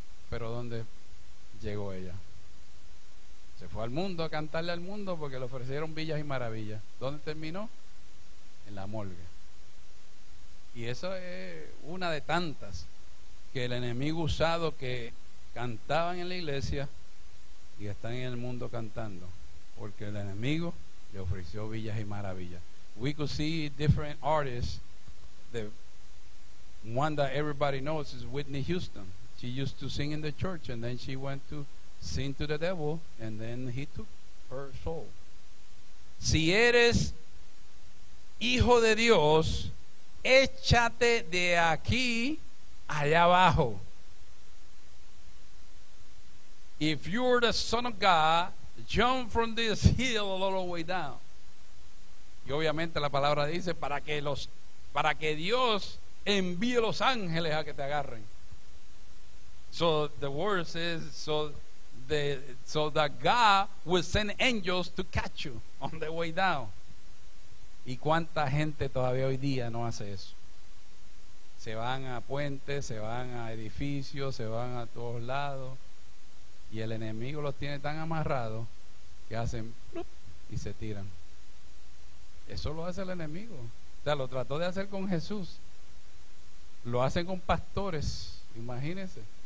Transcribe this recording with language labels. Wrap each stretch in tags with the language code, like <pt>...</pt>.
<es>Pero ¿dónde llegó ella? Se fue al mundo a cantarle al mundo porque le ofrecieron villas y maravillas. ¿Dónde terminó? En la morgue. Y esa es una de tantas que el enemigo usado que cantaban en la iglesia y están en el mundo cantando, porque el enemigo le ofreció villas y maravillas.</es> <en>We could see different artists. The one that everybody knows is Whitney Houston. She used to sing in the church, and then she went to sing to the devil, and then he took her soul.</en> <es>Si eres hijo de Dios, échate de aquí allá abajo.</es> <en>If you're the son of God, jump from this hill all the way down.</en> <es>Y obviamente la palabra dice para que Dios envíe los ángeles a que te agarren.</es> <en>So the word says so that God will send angels to catch you on the way down.</en> <es>¿Y cuánta gente todavía hoy día no hace eso? Se van a puentes, se van a edificios, se van a todos lados, y el enemigo los tiene tan amarrados que hacen plup y se tiran. Eso lo hace el enemigo. O sea, lo trató de hacer con Jesús, lo hacen con pastores, imagínense.</es>